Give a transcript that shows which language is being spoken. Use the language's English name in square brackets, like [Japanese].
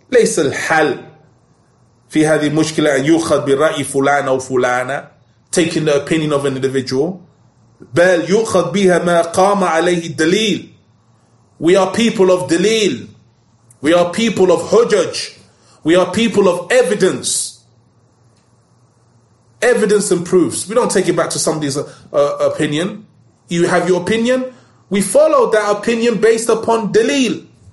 [Arabic] ليس الحل في هذه المشكلة أن يؤخذ برأي فلان أو فلانة. [English] Taking the opinion of an individual. [Arabic] بل يؤخذ بها ما قام عليه الدليل. [English] We are people of دليل. We are people of حجج. We are people of evidence. Evidence and proofs. We don't take it back to somebody's opinion. You have your opinion. We follow that opinion based upon dalil.